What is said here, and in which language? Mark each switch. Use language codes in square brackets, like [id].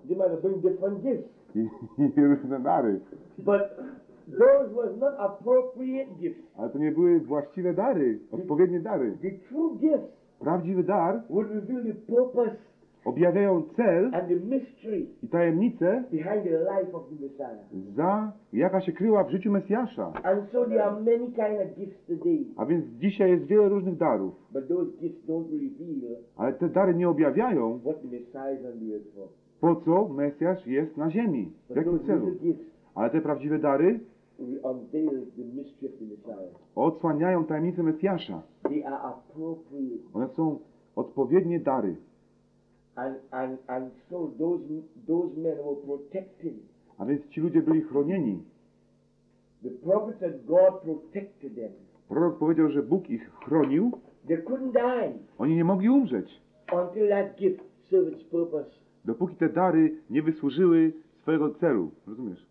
[en] They might have bring different gifts. [pl] I różne dary. [en] But those was not appropriate gifts. [pl] Ale to nie były właściwe dary, odpowiednie dary. [en] The true gifts. [pl] Prawdziwy dar. [en] Would reveal the purpose. [pl] Objawiają cel [en] and the mystery [pl] i tajemnicę [en] behind the life of the Messiah. [pl] Za jaka się kryła w życiu Mesjasza. [en] And so there are many kind of gifts today. [pl] A więc dzisiaj jest wiele różnych darów. [en] But those gifts don't reveal. [pl] Ale te dary nie objawiają. [en] What the Messiah is on the earth for. [pl] Po co Mesjasz jest na ziemi? [en] But [pl] w jakim celu? Ale te prawdziwe dary [en] unveil the mystery of the Messiah. [pl] Odsłaniają tajemnicę Mesjasza. [en] They are appropriate. [pl] One są odpowiednie dary. [en] And so those men were protected. [pl] A więc ci ludzie byli chronieni. [en] The prophet said God protected them. [pl] Prorok powiedział, że Bóg ich chronił. [en] They couldn't die. [pl] Oni nie mogli umrzeć. [en] Until that gift served its purpose. [pl] Dopóki te dary nie wysłużyły swojego celu, rozumiesz?